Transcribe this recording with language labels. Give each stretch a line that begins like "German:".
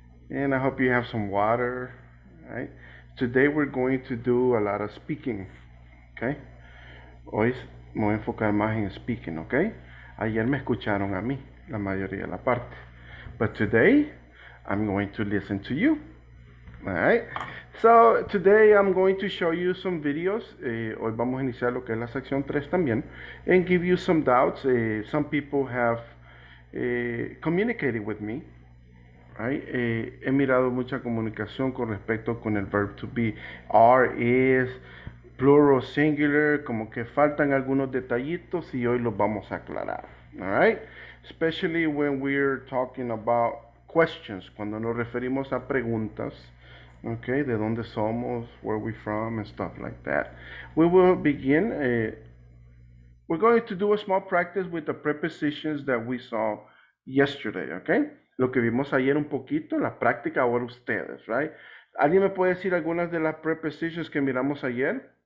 English: And I hope you have some water, right? Today we're going to do a lot of speaking. Okay?
Spanish: Hoy me voy a enfocar más en speaking, okay? Ayer me escucharon a mí, la mayoría de la parte.
English: But today, I'm going to listen to you. All right? So, today I'm going to show you some videos.
Spanish: Hoy vamos a iniciar lo que es la sección 3 también.
English: And give you some doubts. Some people have communicated with me. Right?
Spanish: He mirado mucha comunicación con respecto con el verb to be. Are, is. Plural, singular, como que faltan algunos detallitos y hoy los vamos a aclarar.
English: All right? Especially when we're talking about questions,
Spanish: cuando nos referimos a preguntas, okay, de dónde somos,
English: where we from, and stuff like that. We will begin. We're going to do a small practice with the prepositions that we saw yesterday, okay?
Spanish: Lo que vimos ayer un poquito, la práctica ahora ustedes, right? ¿Alguien me puede decir algunas de las prepositions que miramos ayer?